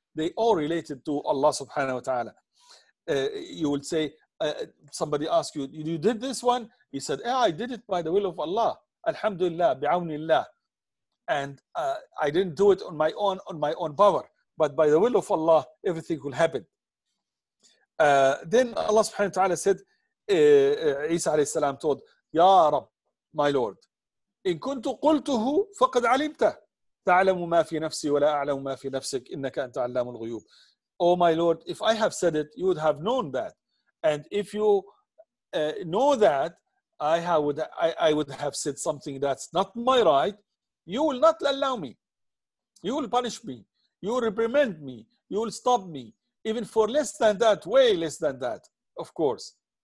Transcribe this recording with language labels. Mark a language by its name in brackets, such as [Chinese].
[English] They all related to Allah subhanahu wa ta'ala. You will say, somebody asks you, you did this one? He said, yeah, I did it by the will of Allah. Alhamdulillah, bi'awnillah. And I didn't do it on my own power. But by the will of Allah, everything will happen. Then Allah subhanahu wa ta'ala said, Isa alayhi salam told, Ya Rab, my Lord, [Arabic] إن كنت قلته فقد علمت تعلم ما في نفسي ولا أعلم ما في نفسك إنك أنت علام الغيوب. [English] Oh my Lord, if I have said it, you would have known that. And if you know that, I would have said something that's not my right, you will not allow me. You will punish me. You will reprimand me. You will stop me. Even for less than that, way less than that, of course.